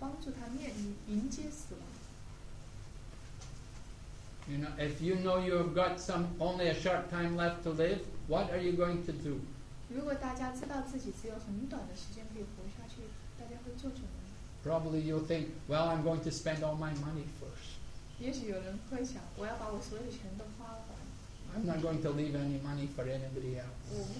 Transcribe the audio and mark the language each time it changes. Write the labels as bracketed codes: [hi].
[zh] 所以当巴里斯达金知道自己在七天之内就要死去的时候呢，他就决定，他要去找一个人，在他死亡之际能够帮助他面临迎接死亡。 [en] You know, if you know you've got only a short time left to live, what are you going to do? [zh] 如果大家知道自己只有很短的时间可以活下去，大家会做什么？ [en] Probably you'll think, well, I'm going to spend all my money first. [zh] 也许有人会想，我要把我所有的钱都花了。 [en] I'm not going to leave any money for anybody else.